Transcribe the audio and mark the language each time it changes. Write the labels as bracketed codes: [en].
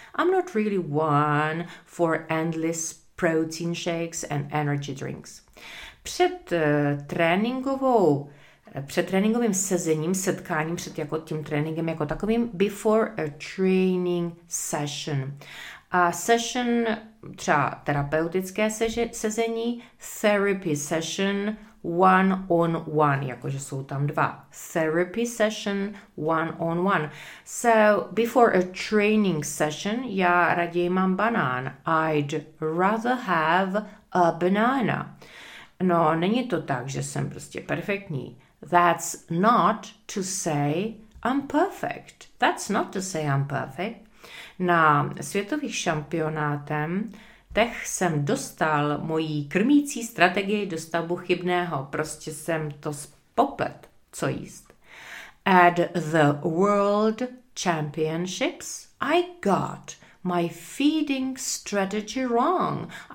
[en] I'm not really one for endless protein shakes and energy drinks. [cs] Před tréninkovým sezením, setkáním před jako tím tréninkem jako takovým, [en] before a training session. A session, [cs] třeba terapeutické sezení, [en] therapy session one on one, [cs] jakože jsou tam dva. [en] Therapy session one on one. So before a training session, [cs] já raději mám banán. [en] I'd rather have a banana. [cs] No, není to tak, že jsem prostě perfektní. [en] That's not to say I'm perfect. [cs] Na světových šampionátech jsem dostal mojí krmící strategii do stavbu chybného. Prostě jsem to spoplet, co jíst. [en] At the World Championships, I got my feeding strategy wrong.